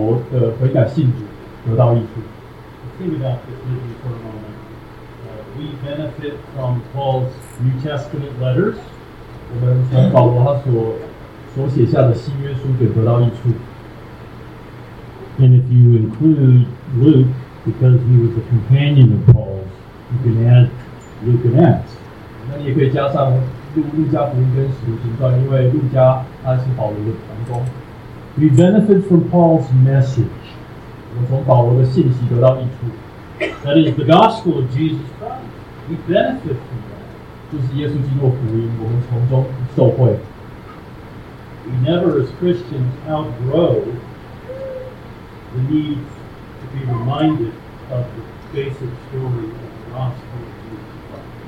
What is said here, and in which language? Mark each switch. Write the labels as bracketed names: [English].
[Chinese] 不只是这样，我们自己也从保罗的悔改信主得到益处。 [English] Think about this with me for a moment. We benefit from Paul's New Testament letters. [Chinese] 我们从保罗他所 所写下的新约书卷得到益处。 [English] And if you include Luke, because he was a companion of Paul's, you can add Luke and Acts. [Chinese] 那你也可以加上路加福音跟使徒行传，因为路加他是保罗的同工。 [English] We benefit from Paul's message. [Chinese] 我们从保罗的信息得到益处。 [English] That is the gospel of Jesus Christ. We benefit from that. [Chinese] 就是耶稣基督的福音，我们从中受惠。 [English] We never, as Christians, outgrow the need to be reminded of the basic story of the gospel of Jesus Christ.